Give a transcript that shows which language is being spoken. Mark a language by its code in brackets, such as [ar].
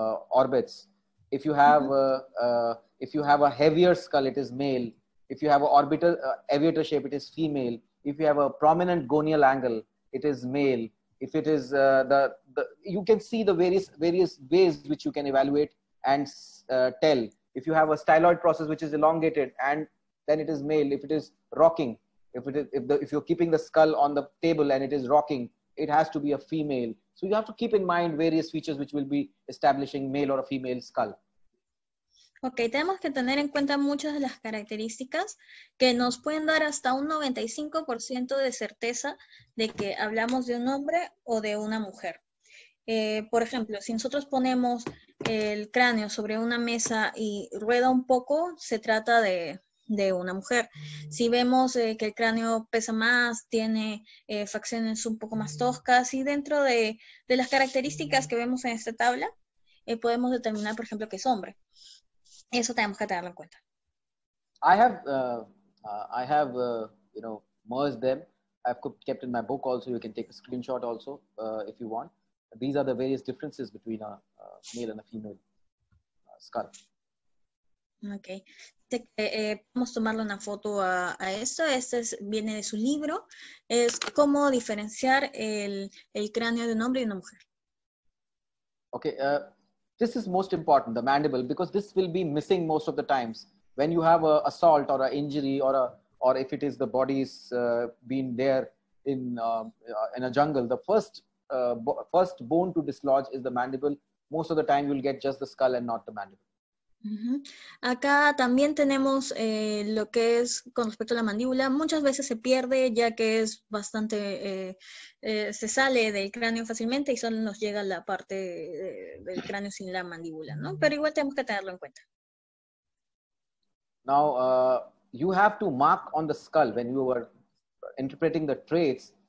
[en] orbits, if you have if you have a heavier skull it is male, if you have an orbital aviator shape it is female, if you have a prominent gonial angle it is male, if it is you can see the various ways which you can evaluate and tell. If you have a styloid process which is elongated, and then it is male. If it is rocking, if you're keeping the skull on the table and it is rocking, it has to be a female. So you have to keep in mind various features which will be establishing male or a female skull. [es] Okay, tenemos que tener en cuenta muchas de las características que nos pueden dar hasta un 95% de certeza de que hablamos de un hombre o de una mujer. Por ejemplo, si nosotros ponemos el cráneo sobre una mesa y rueda un poco, se trata de una mujer. Si vemos que el cráneo pesa más, tiene facciones un poco más toscas, y dentro de las características que vemos en esta tabla, podemos determinar, por ejemplo, que es hombre. Eso tenemos que tenerlo en cuenta. [en] I have merged them. I've kept in my book also. You can take a screenshot also if you want. These are the various differences between a male and a female skull. [es] Okay. Vamos a tomarle una foto a esto. Este viene de su libro. Es cómo diferenciar el cráneo de un hombre y una mujer. [en] Okay. This is most important, the mandible, because this will be missing most of the times. When you have an assault or an injury or if it is the body's been there in a jungle, the first bone to dislodge is the mandible. Most of the time you'll get just the skull and not the mandible. Uh-huh. [es] Acá también tenemos lo que es con respecto a la mandíbula. Muchas veces se pierde ya que es bastante, se sale del cráneo fácilmente y solo nos llega la parte del cráneo sin la mandíbula, ¿no? Pero igual tenemos que tenerlo en cuenta. [en] Now, you have to mark on the skull when you are interpreting the traits.